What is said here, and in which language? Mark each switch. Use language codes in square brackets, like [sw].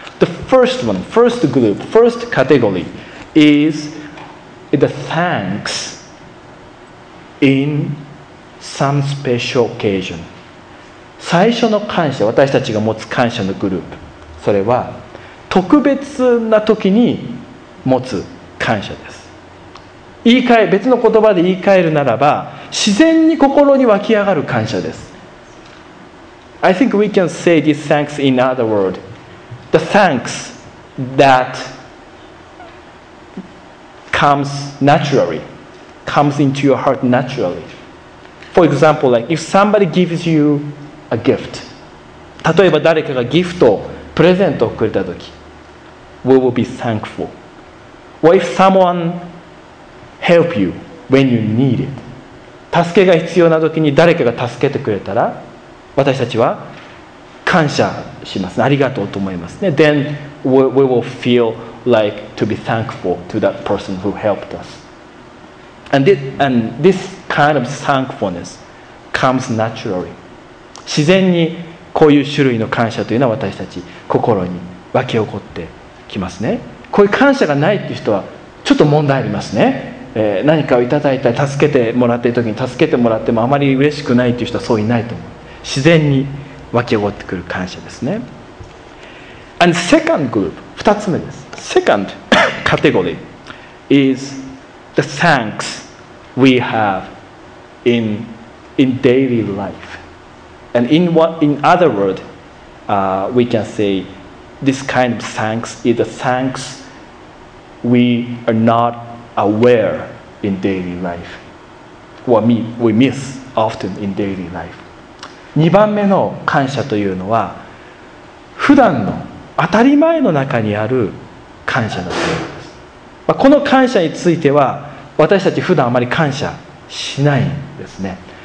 [en] The first one, first group, first category is the thanks in some special occasion. [ja] 最初の感謝、私たちが持つ感謝のグループ、それは特別な時に持つ感謝です。別の言葉で言い換えるならば、自然に心に湧き上がる感謝です。 [en] I think we can say this thanks in other word. The thanks that comes naturally, comes into your heart naturally. For example, like if somebody gives you a gift. [ja] 例えば誰かがギフトを、プレゼントをくれたとき、 [en] we will be thankful. Or if someone help you when you need it. [ja] 助けが必要なときに誰かが助けてくれたら、私たちは感謝します。ありがとうと思いますね。 [en] Then we will feel like to be thankful to that person who helped us. And this kind of thankfulness comes naturally. [ja] 自然にこういう種類の感謝というのは私たち心に湧き起こってきますね。こういう感謝がないっていう人はちょっと問題ありますね。何かをいただいたり助けてもらっている時に助けてもらってもあまり嬉しくないっていう人はそういないと思う。自然に湧き起こってくる感謝ですね。 [en] And second group [ja] 二つ目です。 [en] Second category is the thanks we have in daily life. And in other word、we can say this kind of thanks is the thanks we are not aware in daily life. What we miss often in daily life. [ja] 2番目の感謝というのは普段の当たり前の中にある感謝だと思います。まあ、この感謝については私たち普段あまり感謝しないんですね。